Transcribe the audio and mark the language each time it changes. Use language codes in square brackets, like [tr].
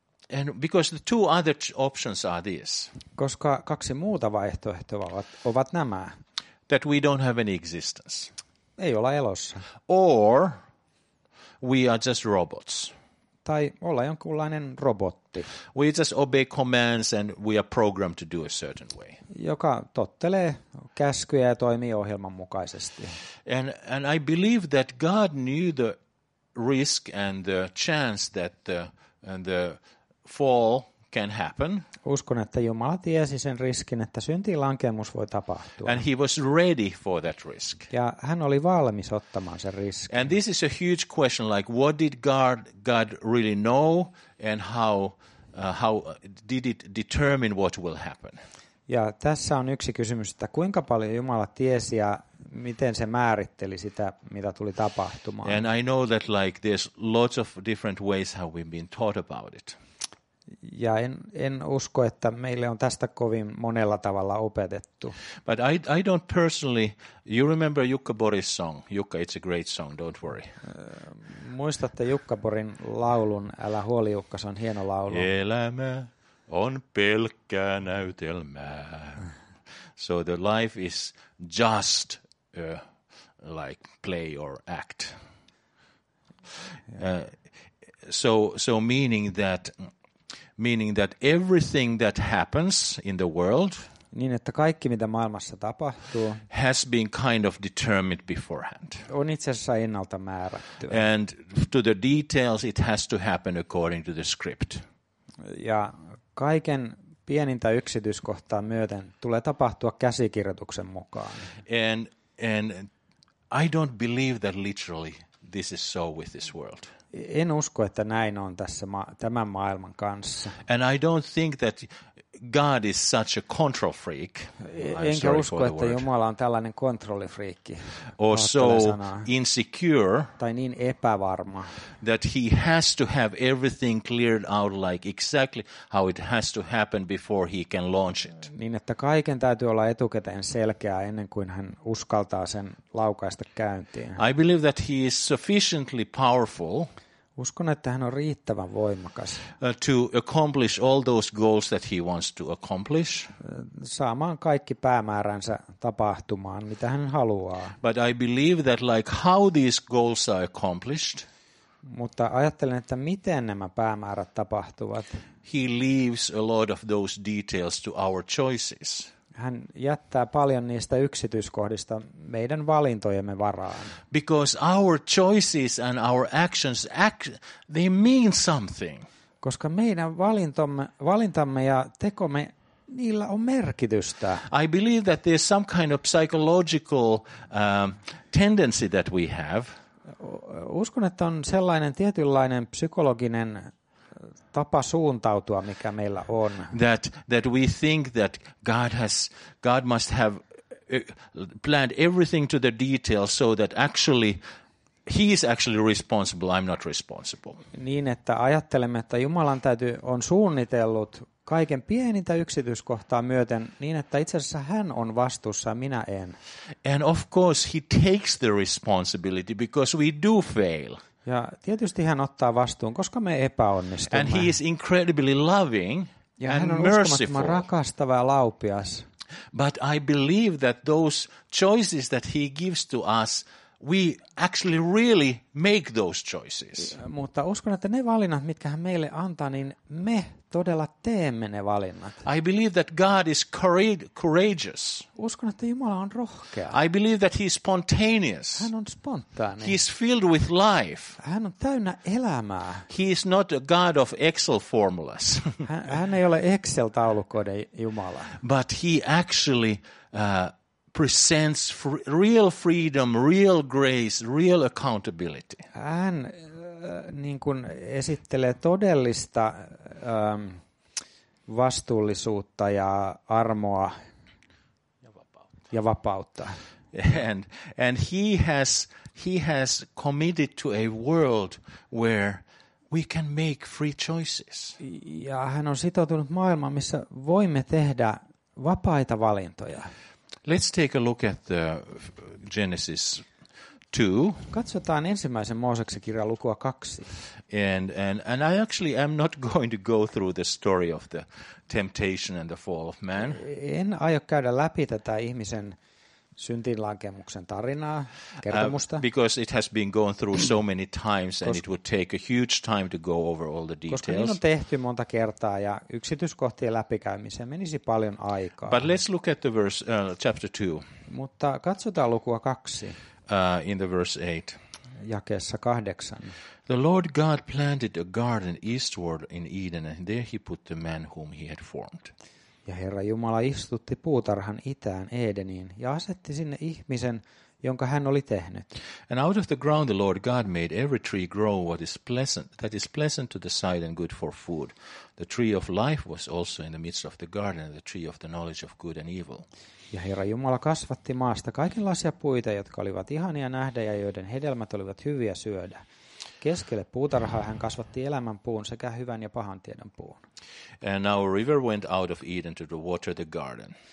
[en] And because the two other options are this. [fi] Koska kaksi muuta vaihtoehtoa ovat nämä. [en] That we don't have any existence. [fi] Ei olla elossa. [en] Or we are just robots. [fi] Tai olla jonkunlainen robotti. [en] We just obey commands and we are programmed to do a certain way. [fi] Joka tottelee käskyjä ja toimii ohjelman mukaisesti. [en] And I believe that God knew the risk and the chance that the fall can happen. [fi] Uskon, että Jumala tiesi sen riskin, että syntiin lankemus voi tapahtua. [en] And he was ready for that risk. [fi] Ja hän oli valmis ottamaan sen riskin. [en] And this is a huge question, like what did God really know and how did it determine what will happen? [fi] Ja tässä on yksi kysymys, että kuinka paljon Jumala tiesi ja miten se määritteli sitä, mitä tuli tapahtumaan. [en] And I know that like there's lots of different ways how we've been taught about it. [fi] Ja en usko, että meille on tästä kovin monella tavalla opetettu. [en] But I don't personally, you remember Jukka Boris song. Jukka, it's a great song, don't worry. [fi] Muistatte Jukka Borin laulun, älä huoli Jukka, se on hieno laulu. Elämä on pelkkää näytelmää. [en] So the life is just a, like play or act. So meaning that everything that happens in the world, [fi] niin että kaikki mitä maailmassa tapahtuu, [en] has been kind of determined beforehand. [fi] On itse asiassa ennalta määrätty. [en] And to the details it has to happen according to the script. [fi] Ja kaiken pienintä yksityiskohtaa myöten tulee tapahtua käsikirjoituksen mukaan. [en] And I don't believe that literally this is so with this world. [fi] En usko, että näin on tässä tämän maailman kanssa. [en] And I don't think that God is such a control freak. [fi] Enkä usko, että Jumala on tällainen kontrollifriikki. [en] Or so insecure. [fi] Tai niin epävarma. [en] That he has to have everything cleared out like exactly how it has to happen before he can launch it. [fi] Niin että kaiken täytyy olla etukäteen selkeää ennen kuin hän uskaltaa sen laukaista käyntiin. [en] I believe that he is sufficiently powerful. [fi] Uskon, että hän on riittävän voimakas. [en] To accomplish all those goals that he wants to accomplish. [fi] Saamaan kaikki päämääränsä tapahtumaan, mitä hän haluaa. [en] But I believe that like how these goals are accomplished. [fi] Mutta ajattelen, että miten nämä päämäärät tapahtuvat. [en] He leaves a lot of those details to our choices. [fi] Hän jättää paljon niistä yksityiskohdista meidän valintojemme varaan. [en] Because our choices and our actions they mean something. [fi] Koska meidän valintamme ja tekomme, niillä on merkitystä. [en] I believe that there's some kind of psychological tendency that we have. [fi] Uskon, että on sellainen tietynlainen psykologinen tapa suuntautua, mikä meillä on. [en] That we think that God must have planned everything to the details so that actually he is actually responsible, I'm not responsible. [fi] Niin, että ajattelemme, että Jumalan täytyy on suunnitellut kaiken pienintä yksityiskohtaa myöten niin, että itse asiassa hän on vastuussa ja minä en. [en] And of course he takes the responsibility because we do fail. [fi] Ja tietysti hän ottaa vastuun, koska me epäonnistumme. [en] And he is incredibly loving [fi] ja [en] and [fi] hän on [en] merciful. [fi] Uskomattoman rakastava ja laupias. [en] But I believe that those choices that he gives to us, we actually really make those choices. [fi] Mutta uskon, että ne valinnat, mitkä hän meille antaa, niin me todella teemme ne valinnat. [en] I believe that God is courageous. [fi] Uskon, että Jumala on rohkea. [en] I believe that he is spontaneous. [fi] Hän on spontaani. [en] He is filled with life. [fi] Hän on täynnä elämää. [en] He is not a God of Excel formulas. [fi] Hän ei ole Excel-taulukoiden Jumala. [en] But he actually presents real freedom, real grace, real accountability. [fi] Hän niin kuin esittelee todellista vastuullisuutta ja armoa ja vapautta. [en] And he has committed to a world where we can make free choices. [fi] Ja hän on sitoutunut maailmaan, missä voimme tehdä vapaita valintoja. [en] Let's take a look at the Genesis 2. [fi] Katsotaan ensimmäisen Mooseksen kirjan lukua 2. [en] And I actually am not going to go through the story of the temptation and the fall of man. [fi] En aio käydä läpi tätä ihmisen syntinlankemuksen tarinaa, kertomusta. [en] Because it has been gone through so many times and it would take a huge time to go over all the details. [fi] Koska niin on tehty monta kertaa ja yksityiskohtien läpikäymiseen menisi paljon aikaa. [en] But let's look at the verse, chapter 2. [fi] Mutta katsotaan lukua 2. [en] In the verse 8. [fi] Jakeessa 8. [en] The Lord God planted a garden eastward in Eden and there he put the man whom he had formed. [fi] Ja Herra Jumala istutti puutarhan itään Edeniin ja asetti sinne ihmisen, jonka hän oli tehnyt. [en] And out of the ground the Lord God made every tree grow what is pleasant, that is pleasant to the sight and good for food. The tree of life was also in the midst of the garden, the tree of the knowledge of good and evil. [fi] Ja Herra Jumala kasvatti maasta kaikenlaisia puita, jotka olivat ihania nähdä ja joiden hedelmät olivat hyviä syödä. Keskelle puutarhaa hän kasvatti elämän puun sekä hyvän ja pahan tiedon puun. [en] And now a river went out of Eden to water the garden.